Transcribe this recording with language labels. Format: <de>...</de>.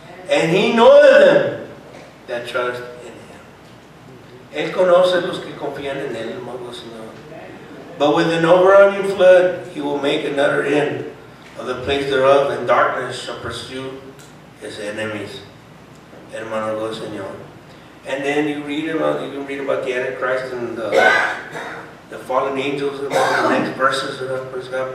<en>And he knoweth them that trust in him.</en> <es>Él conoce los que confían en él, hermano Señor.</es> <en>But with an overrunning flood, he will make another end of the place thereof, and darkness shall pursue his enemies.</en> <es>Hermano Señor.</es> <en>And then you can read about the Antichrist and the fallen angels and all the next verses,</en> <es>¿verdad?</es> <en>Praise God.</en>